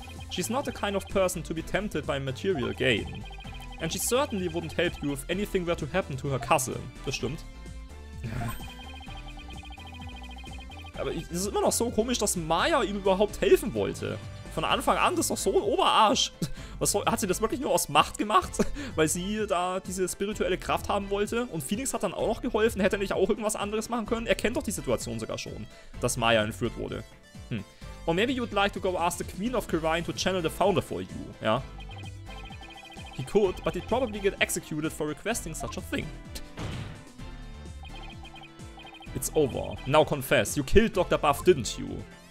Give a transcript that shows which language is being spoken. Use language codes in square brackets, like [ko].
[en] She's not the kind of person to be tempted by material gain. And she certainly wouldn't help you if anything were to happen to her cousin. [de] Das stimmt. Aber es ist immer noch so komisch, dass Maya ihm überhaupt helfen wollte. Von Anfang an, das ist doch so ein Oberarsch. Was soll, hat sie das wirklich nur aus Macht gemacht, weil sie da diese spirituelle Kraft haben wollte? Und Phoenix hat dann auch noch geholfen. Hätte er nicht auch irgendwas anderes machen können? Er kennt doch die Situation sogar schon, dass Maya entführt wurde. [en] Hm. Or maybe you'd like to go ask the Queen of Kirin to channel the founder for you, ja? He could, but he'd probably get executed for requesting such a thing. It's over. Now confess, you killed Dr. Buff, didn't you?